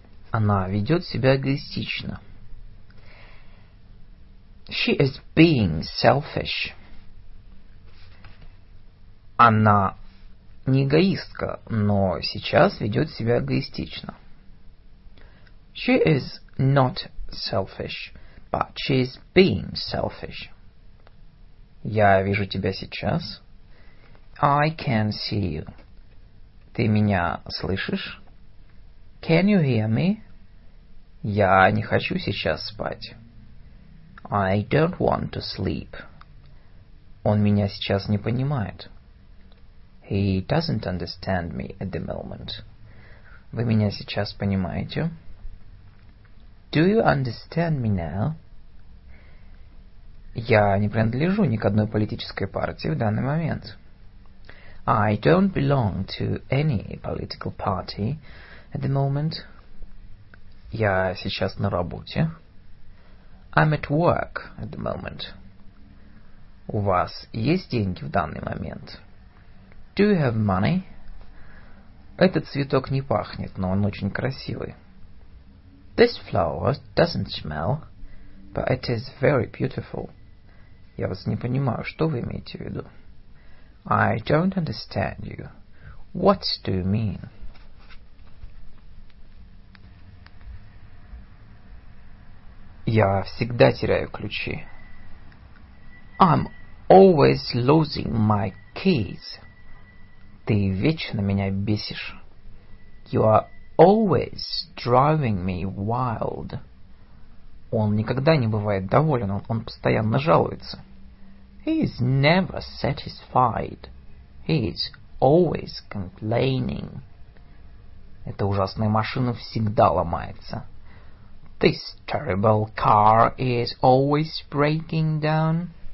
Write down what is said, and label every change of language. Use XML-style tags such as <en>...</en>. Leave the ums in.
<ru>Она ведет себя эгоистично.</ru> <en>She is being selfish.</en> <ru>Она не эгоистка, но сейчас ведет себя эгоистично.</ru> <en>She is not selfish, but she is being selfish.</en> <ru>Я вижу тебя сейчас.</ru> <en>I can see you.</en> <ru>Ты меня слышишь?</ru> <en>Can you hear me?</en> <ru>Я не хочу сейчас спать.</ru> <en>I don't want to sleep.</en> <ru>Он меня сейчас не понимает.</ru> <en>He doesn't understand me at the moment.</en> <ru>Вы меня сейчас понимаете?</ru> <en>Do you understand me now?</en> <ru>Я не принадлежу ни к одной политической партии в данный момент.</ru> <en>I don't belong to any political party at the moment.</en> <ru>Я сейчас на работе.</ru> <en>I'm at work at the moment.</en> <ru>У вас есть деньги в данный момент?</ru> <en>Do you have money?</en> <ru>Этот цветок не пахнет, но он очень красивый.</ru> <en>This flower doesn't smell, but it is very beautiful.</en> <ru>Я вас не понимаю, что вы имеете в виду?</ru> <en>I don't understand you. What do you mean?</en> <ru>Я всегда теряю ключи.</ru> <en>I'm always losing my keys.</en> <ru>Ты вечно меня бесишь.</ru> <en>You are always driving me wild.</en> <ru>Он никогда не бывает доволен, он, он постоянно жалуется.</ru> <en>He is never satisfied. He is always complaining.</en> <ru>Эта ужасная машина всегда ломается.</ru> <en>This terrible car is always breaking down.</en>